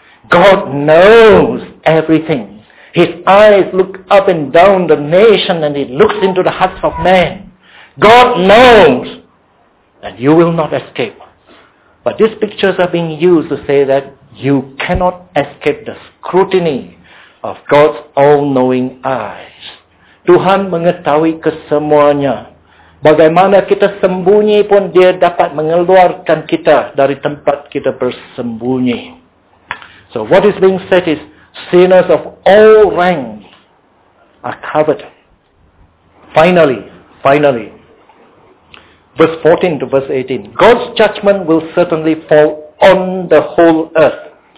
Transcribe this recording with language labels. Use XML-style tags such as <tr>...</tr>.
<en>God knows everything. His eyes look up and down the nation and He looks into the hearts of men. God knows that you will not escape. But these pictures are being used to say that you cannot escape the scrutiny of God's all-knowing eyes.</en> <ms>Tuhan mengetahui kesemuanya. Bagaimana kita sembunyi pun Dia dapat mengeluarkan kita dari tempat kita bersembunyi.</ms> <en>So what is being said is, sinners of all ranks are covered. Finally, verse 14 to verse 18, God's judgment will certainly fall on the whole earth.</en>